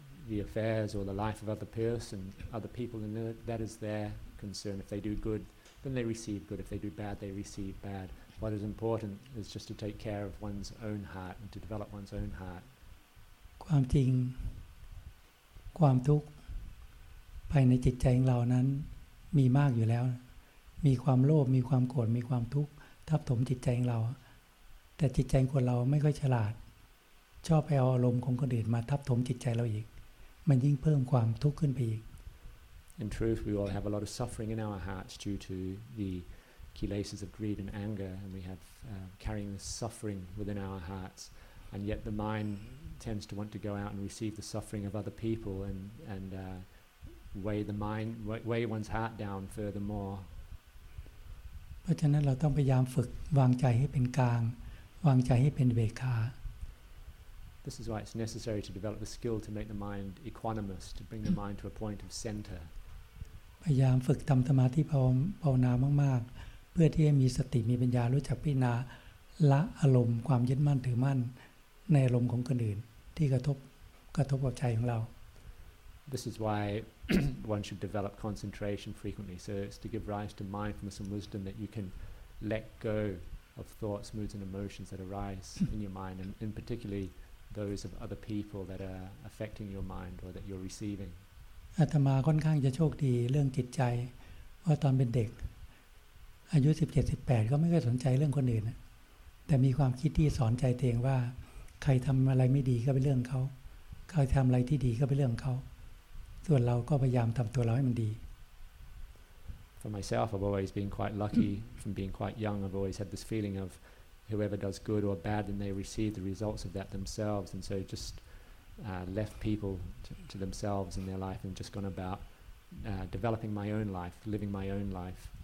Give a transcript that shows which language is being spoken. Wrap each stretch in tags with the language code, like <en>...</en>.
<en>the affairs or the life of other people and that is their concern if they do good then they receive good if they do bad they receive bad what is important is just to take care of one's own heart and to develop one's own heart</en> <th>ความจริงความทุกข์ภายในจิตใจของเรานั้นมีมากอยู่แล้วมีความโลภมีความโกรธมีความทุกข์ทับถมจิตใจของเราแต่จิตใจคนเราไม่ค่อยฉลาดชอบไปเอาอารมณ์ของคนอื่นมาทับถมจิตใจเราอีกมันยิ่งเพิ่มความทุกข์ขึ้นไปอีก</th> <en>In truth we all have a lot of suffering in our hearts due to the kilesas of greed and anger and we have carrying the suffering within our heartsAnd yet the mind tends to want to go out and receive the suffering of other people and weigh the mind weigh one's heart down furthermore.</en> <th>เพราะฉะนั้นเราต้องพยายามฝึกวางใจให้เป็นกลางวางใจให้เป็นเบคา</th> <en>This is why it's necessary to develop the skill to make the mind equanimous to bring the mind to a point of center.</en> <th>พยายามฝึกทำสมาธิภาวนามากๆเพื่อที่จะมีสติมีปัญญารู้จักพิจารณาละอารมณ์ความยึดมั่นถือมั่นในอารมณ์ของคนอื่นที่กระทบกับใจของเรา</th> <en>This is why one should develop concentration frequently so it's to give rise to mindfulness and wisdom that you can let go of thoughts moods and emotions that arise in your mind and in particularly those of other people that are affecting your mind or that you're receiving</en> <th>อาตมาค่อนข้างจะโชคดีเรื่องจิตใจเพราะตอนเป็นเด็กอายุ 17-18 ก็ไม่ค่อยสนใจเรื่องคนอื่นแต่มีความคิดที่สอนใจเองว่าใครทำอะไรไม่ดีก็เป็นเรื่องเขาใครทำอะไรที่ดีก็เป็นเรื่องเขาส่วนเราก็พยายามทำตัวเราให้มันดี</th> <en>For myself I've always been quite lucky from being quite young I've always had this feeling of whoever does good or bad then they receive the results of that themselves and so just left people to themselves in their life and just gone about developing my own life living my own life</en>